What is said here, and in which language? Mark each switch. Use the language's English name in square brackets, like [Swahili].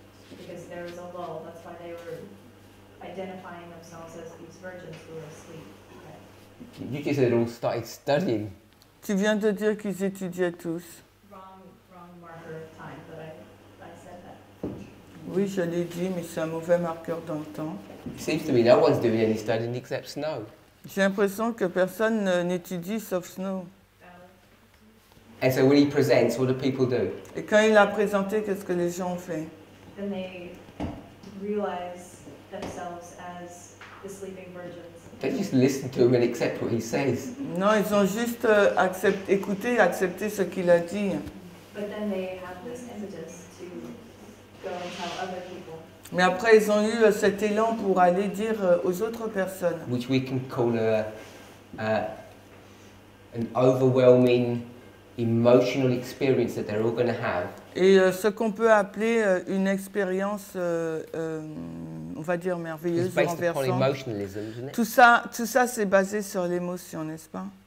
[English] Because there was a lull, that's why they were identifying themselves as these virgins who were asleep. You just said they all started studying. [French] Tu viens de dire qu'ils étudiaient tous. [English] Wrong marker of time, but I said that. [French] Oui, je l'ai dit, mais c'est un mauvais marqueur dans le temps. [English] It seems to me no one's doing any studying except Snow. [French] J'ai l'impression que personne n'étudie sauf Snow. [English] And so when he presents, what do people do? [French] Et quand il a présenté, qu'est-ce que les gens ont fait? [English] Then they realize themselves as the sleeping virgins. They just listen to him and accept what he says. [French] Non, ils ont juste écouté et accepté ce qu'il a dit. [English] But then they have this impetus to go and tell other people. [French] Mais après, ils ont eu cet élan pour aller dire aux autres personnes. [English] Which we can call an overwhelming emotional experience that they're all going to have. [French] Et ce qu'on peut appeler une expérience, on va dire merveilleuse, renversante. Tout ça, c'est basé sur l'émotion, n'est-ce pas?